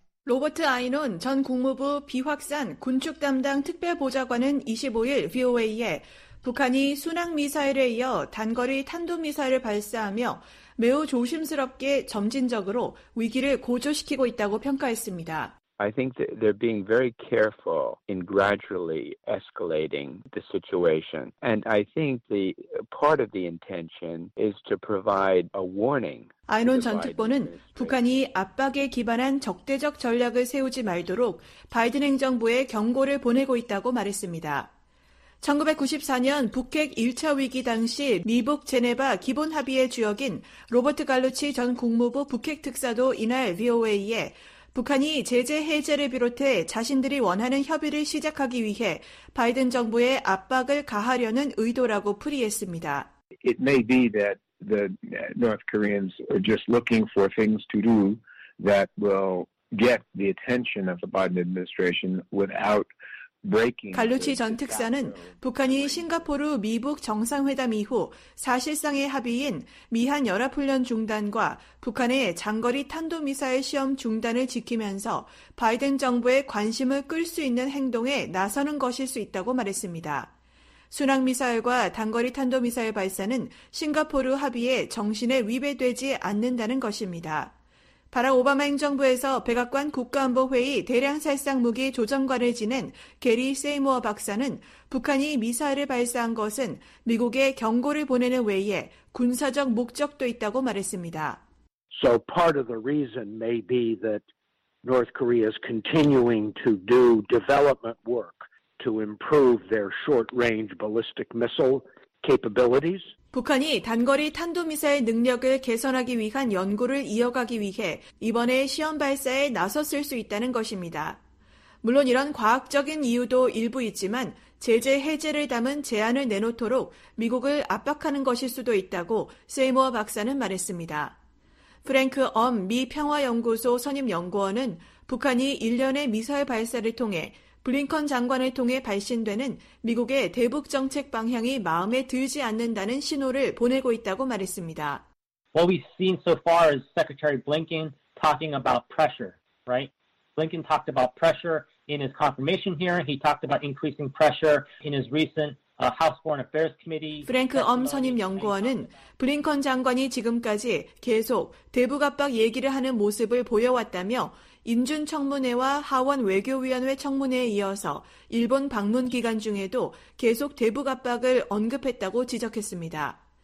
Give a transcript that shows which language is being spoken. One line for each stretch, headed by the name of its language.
Korean: 로버트 아이논 전 국무부 비확산 군축 담당 특별보좌관은 25일 VOA에 북한이 순항미사일에 이어 단거리 탄도미사일을 발사하며 매우 조심스럽게 점진적으로 위기를 고조시키고 있다고 평가했습니다.
English: I think that they're being very careful in gradually escalating the situation. And I think the part of the intention is to provide a warning.
Korean: 아이논 전 특보는 북한이 압박에 기반한 적대적 전략을 세우지 말도록 바이든 행정부에 경고를 보내고 있다고 말했습니다. 1994년 북핵 1차 위기 당시 미북 제네바 기본 합의의 주역인 로버트 갈루치 전 국무부 북핵 특사도 이날 VOA에 북한이 제재 해제를 비롯해 자신들이 원하는 협의를 시작하기 위해 바이든 정부의 압박을 가하려는 의도라고 풀이했습니다.
English: It may be that the North Koreans are just looking for things to do that will get the attention of the Biden administration without breaking.
Korean: 갈루치 전 특사는 북한이 싱가포르 미북 정상회담 이후 사실상의 합의인 미한 연합훈련 중단과 북한의 장거리 탄도미사일 시험 중단을 지키면서 바이든 정부의 관심을 끌 수 있는 행동에 나서는 것일 수 있다고 말했습니다. 순항미사일과 단거리 탄도미사일 발사는 싱가포르 합의의 정신에 위배되지 않는다는 것입니다. 바락 오바마 행정부에서 백악관 국가안보회의 대량살상무기 조정관을 지낸 게리 세이모어 박사는 북한이 미사일을 발사한 것은 미국에 경고를 보내는 외에 군사적 목적도 있다고 말했습니다.
English: So part of the reason may be that North Korea is continuing to do development work to improve their short-range ballistic missile capabilities.
Korean: 북한이 단거리 탄도미사일 능력을 개선하기 위한 연구를 이어가기 위해 이번에 시험 발사에 나섰을 수 있다는 것입니다. 물론 이런 과학적인 이유도 일부 있지만 제재 해제를 담은 제안을 내놓도록 미국을 압박하는 것일 수도 있다고 세이모어 박사는 말했습니다. 프랭크 엄 미 평화연구소 선임연구원은 북한이 일련의 미사일 발사를 통해 블링컨 장관을 통해 발신되는 미국의 대북 정책 방향이 마음에 들지 않는다는 신호를 보내고 있다고 말했습니다.
English: What we've seen so far is Secretary Blinken talking about pressure, right? Blinken talked about pressure in his confirmation hearing. He talked about increasing pressure in his recent House Foreign Affairs Committee.
Korean: 프랭크 엄 선임 연구원은 블링컨 장관이 지금까지 계속 대북 압박 얘기를 하는 모습을 보여왔다며 인준청문회와 하원 외교위원회 청문회에 이어서 일본 방문 기간 중에도 계속 대북 압박을 언급했다고 지적했습니다.